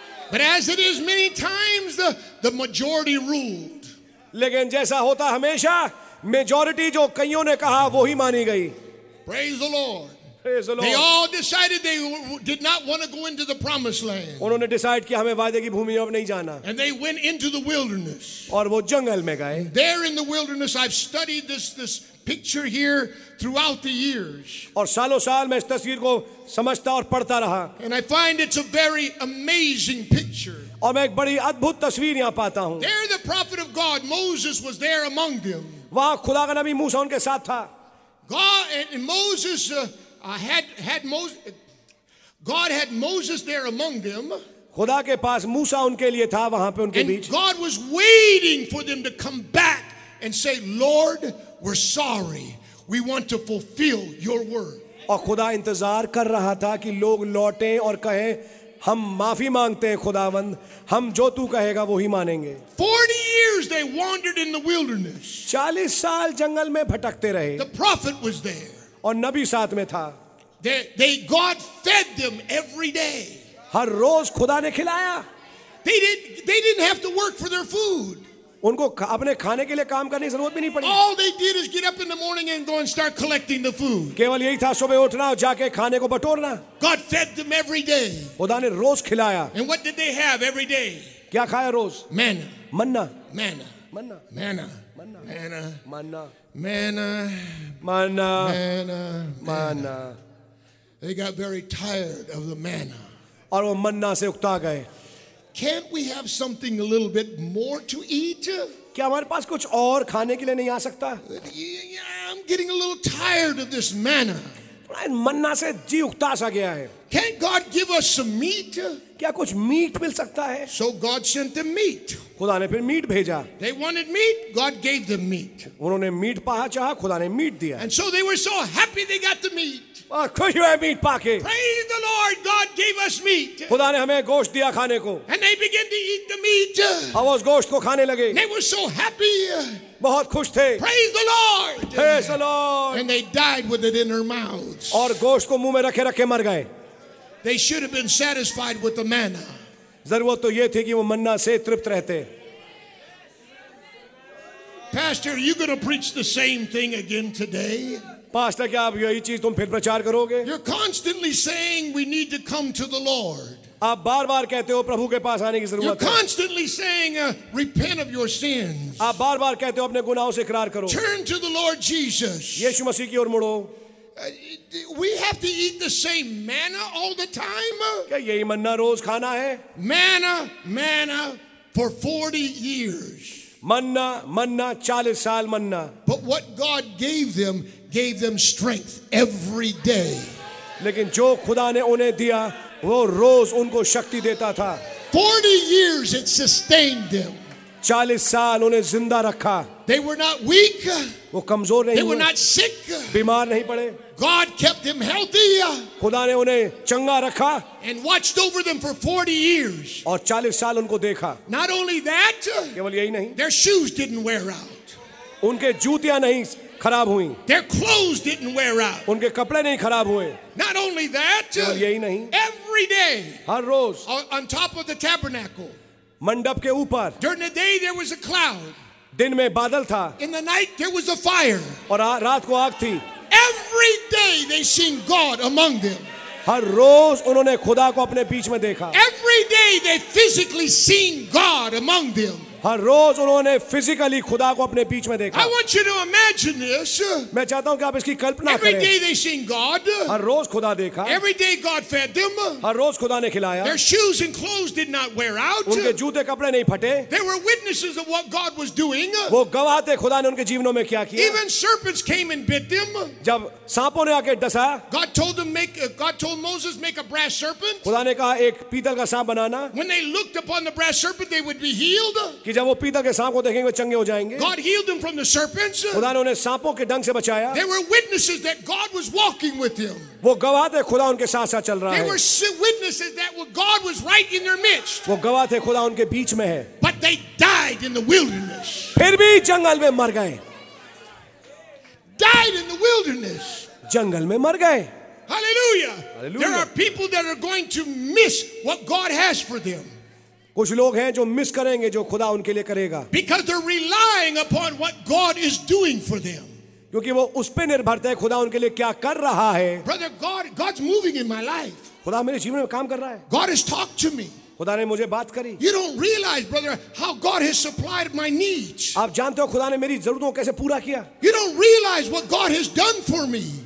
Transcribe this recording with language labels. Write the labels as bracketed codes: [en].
[en] But as it is many times, the majority ruled. [hi] लेकिन जैसा होता हमेशा majority जो कईयों ने कहा वो ही मानी गई. [en] Praise the Lord. Praise the Lord. They all decided they did not want to go into the promised land. [hi] उन्होंने decide किया हमें वादे की भूमि में अब नहीं जाना. [en] And they went into the wilderness. [hi] और वो जंगल में गए. [en] There in the wilderness, I've studied this. Picture here throughout the years. [hi] और सालों साल मैं इस तस्वीर को समझता और पढ़ता रहा. [en] And I find it's a very amazing picture. [hi] और मैं एक बड़ी अद्भुत तस्वीर यहाँ पाता हूँ. [en] There the prophet of God Moses was there among them. [hi] वहाँ खुदा का नबी मूसा उनके साथ था. [en] God and Moses had Moses. God had Moses there among them. [hi] खुदा के पास मूसा उनके लिए था वहाँ पे उनके बीच. [en] God was waiting for them to come back and say, Lord, we're sorry. We want to fulfill your word. [hi] और खुदा इंतजार कर रहा था कि लोग लौटें और कहें हम माफी मांगते हैं खुदावंद हम जो तू कहेगा वो ही मानेंगे [en] 40 years they wandered in the wilderness [hi] 40 साल जंगल में भटकते रहे [en] the prophet was there [hi] और नबी साथ में था [en] they God fed them every day [hi] हर रोज खुदा ने खिलाया [en] they didn't have to work for their food [hi] उनको अपने खाने के लिए काम करने की जरूरत भी नहीं पड़ी [en] all they did is get up in the morning and go and start collecting the food [hi] केवल यही था सुबह उठना और जाके खाने को बटोरना [en] God fed them every day [hi] खुदा ने रोज खिलाया [en] and what did they have every day [hi] क्या खाया रोज [en] manna manna manna manna manna manna manna manna manna manna manna they got very tired of the manna [hi] और वो manna से उकता गए [en] Can't we have something a little bit more to eat? [hi] क्या हमारे पास कुछ और खाने के लिए नहीं आ सकता? [en] I'm getting a little tired of this manna. [hi] थोड़ा मन्ना से जी उकता सा गया है. [en] Can't God give us some meat? [hi] क्या कुछ मीट मिल सकता है? [en] So God sent them meat. [hi] खुदा ने फिर मीट भेजा. [en] They wanted meat. God gave them meat. [hi] उन्होंने मीट पाया चाहा. खुदा ने मीट दिया. [en] And so they were so happy they got the meat. Could you have meat pocket? Praise the Lord, God gave us meat. [hi] खुदा ने हमें गोश्त दिया खाने को. [en] And they began to eat the meat. [hi] अब उस गोश्त को खाने लगे. [en] They were so happy. [hi] बहुत खुश थे. [en] Praise the Lord. Praise the Lord. And they died with it in their mouths. [hi] और गोश्त को मुंह में रखे रखे मर गए. [en] They should have been satisfied with the manna. [hi] जरूरत तो ये थी कि वो मन्ना से तृप्त रहते. [en] Pastor, are you going to preach the same thing again today? [hi] Pastor क्या आप यही चीज तुम फिर प्रचार करोगे? [en] You're constantly saying we need to come to the Lord. [hi] आप बार-बार कहते हो प्रभु के पास आने की जरूरत है. [en] You're constantly saying repent of your sins. [hi] आप बार-बार कहते हो अपने गुनाहों से इकरार करो. [en] Turn to the Lord Jesus. [hi] यीशु मसीह की ओर मुड़ो. [en] We have to eat the same manna all the time? [hi] क्या यही मन्ना रोज खाना है? [en] Manna, manna for 40 years. [hi] मन्ना मन्ना 40 साल मन्ना. [en] But what God gave them strength every day. [hi] लेकिन जो खुदा ने उन्हें दिया वो रोज उनको शक्ति देता था. [en] 40 years it sustained them. [hi] 40 साल उन्हें जिंदा रखा. [en] They were not weak. [hi] वो कमजोर नहीं हुए. [en] They were not sick. [hi] बीमार नहीं पड़े. [en] God kept them healthy. [hi] खुदा ने उन्हें चंगा रखा. [en] And watched over them for 40 years. [hi] और 40 साल उनको देखा. [en] Not only that. [hi] केवल यही नहीं. [en] Their shoes didn't wear out. [hi] उनके जूतियां नहीं खराब हुई [en] Their clothes didn't wear out. [hi] उनके कपड़े नहीं खराब हुए [en] Not only that. [hi] और यही नहीं [en] Every day. [hi] हर rose [en] On top of the tabernacle. [hi] मंडप के ऊपर [en] During the day there was a cloud. [hi] दिन में बादल था [en] In the night there was a fire. [hi] और रात को आग थी [en] Every day they seen God among them. [hi] हर रोज उन्होंने खुदा को अपने बीच में देखा [en] Every day they physically seen God among them. [hi] हर रोज उन्होंने फिजिकली खुदा को अपने बीच में देखा [en] I want you to imagine this. [hi] मैं चाहता हूं कि आप इसकी कल्पना करें [en] Every day they seen God. [hi] हर रोज खुदा देखा [en] Every day God fed them. [hi] हर रोज खुदा ने खिलाया [en] Their shoes and clothes did not wear out. [hi] उनके जूते कपड़े नहीं फटे [en] They were witnesses of what God was doing. [hi] वो गवाह थे खुदा ने उनके जीवनों में क्या किया [en] Even serpents came and bit them. [hi] जब सांपों ने आके डसा [en] God told Moses make a brass serpent. [hi] खुदा ने कहा एक पीतल का सांप बनाना [en] When they looked upon the brass serpent they would be healed. [hi] जब वो पीतल के सांप को देखेंगे चंगे हो जाएंगे [en] God healed them from the serpents. [hi] खुदा ने उन्हें सांपों के डंक से बचाया [en] They were witnesses that God was walking with them. [hi] वो गवाह थे खुदा उनके साथ साथ चल रहा है [en] They were witnesses that God was right in their midst. [hi] वो गवाह थे खुदा उनके बीच में है [en] But they died in the wilderness. [hi] फिर भी जंगल में मर गए [en] Died in the wilderness. [hi] जंगल में मर गए [en] Hallelujah. Hallelujah. There are people that are going to miss what God has for them. [hi] कुछ लोग हैं जो मिस करेंगे जो खुदा उनके लिए करेगा [en] Because they're relying upon what God is doing for them. [hi] क्योंकि वो उस पे निर्भर है खुदा उनके लिए क्या कर रहा है [en] Brother God's moving in my life. [hi] खुदा मेरे जीवन में काम कर रहा है [en] God has talked to me. [hi] खुदा ने मुझे बात करी [en] You don't realize brother how God has supplied my needs. [hi] आप जानते हो खुदा ने मेरी जरूरतों को कैसे पूरा किया [en] You don't realize what God has done for me.